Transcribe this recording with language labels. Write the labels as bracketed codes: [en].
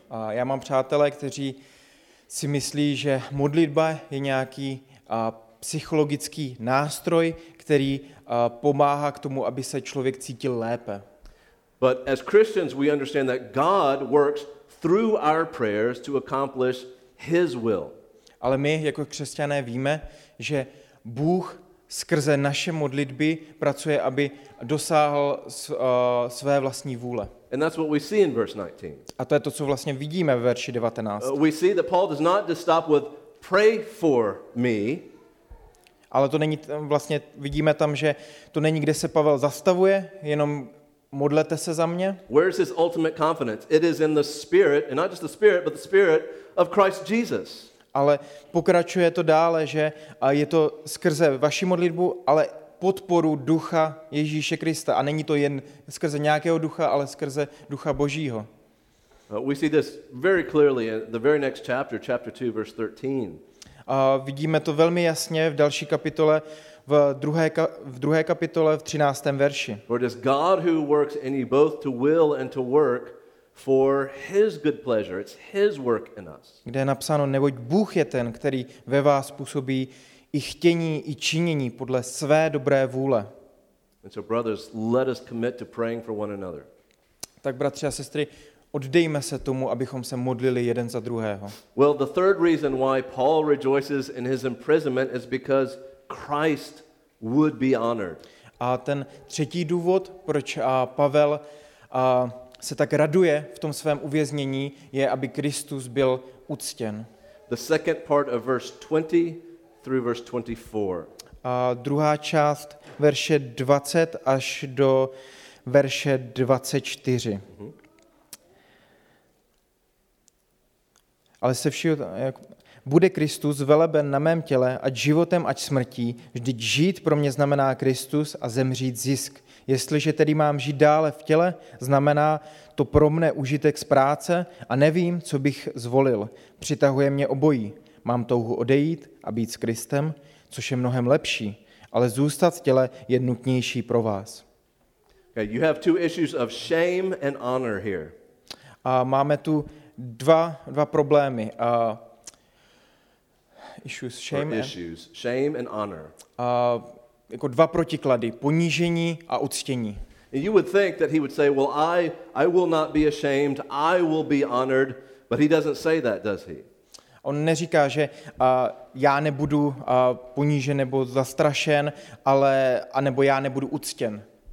[cs] A já mám přátelé, kteří si myslí, že modlitba je nějaký psychologický nástroj, který pomáhá k tomu, aby se člověk cítil lépe. [en] But as Christians, we understand that God works through our prayers to accomplish his will. [cs] Ale my jako křesťané víme, že Bůh skrze naše modlitby pracuje, aby dosáhl své vlastní vůle. [en] And that's what we see in verse 19. [cs] A to je to, co vlastně vidíme ve verši 19. [en] We see that Paul does not just stop with pray for me. [cs] Ale to není vlastně vidíme tam, že to není, kde se Pavel zastavuje, jenom modlete se za mě. [en] Where is his ultimate confidence? It is in the Spirit, and not just the Spirit, but the Spirit of Christ Jesus. [cs] Ale pokračuje to dále, že je to skrze vaši modlitbu, ale podporu ducha Ježíše Krista. A není to jen skrze nějakého ducha, ale skrze ducha Božího. [en] We see this very clearly in the very next chapter, chapter 2, verse 13. [cs] Vidíme to velmi jasně v další kapitole, v druhé kapitole, v 13. verši. [en] For it is God who works in you both to will and to work for his good pleasure, it's his work in us. [cs] Kde je napsáno, neboť Bůh je ten, který ve vás působí i chtění, i činění podle své dobré vůle. [en] And so brothers, let us commit to praying for one another. [cs] Tak bratři a sestry, oddejme se tomu, abychom se modlili jeden za druhého. [en] Well, the third reason why Paul rejoices in his imprisonment is because Christ would be honored. [cs] A ten třetí důvod, proč Pavel se tak raduje v tom svém uvěznění, je, aby Kristus byl uctěn. [en] The second part of verse 20 through verse 24. [cs] A druhá část verše 20 až do verše 24. Mm-hmm. Ale se všichni, jak bude Kristus veleben na mém těle, ať životem, ať smrtí, vždyť žít pro mě znamená Kristus a zemřít zisk. Jestliže tedy mám žít dále v těle, znamená to pro mne užitek z práce a nevím, co bych zvolil. Přitahuje mě obojí. mám touhu odejít a být s Kristem, což je mnohem lepší, ale zůstat v těle je nutnější pro vás. [en] Okay, you have two issues of shame and honor here. [cs] A máme tu dva problémy. [en] Shame and honor. [cs] Jako dva protiklady, ponížení a uctění. [en] And you would think that he would say, well, I will not be ashamed, I will be honored, but he doesn't say that, does he? [cs] On neříká, že já nebudu ponížen nebo zastrašen, ale anebo já nebudu uctěn.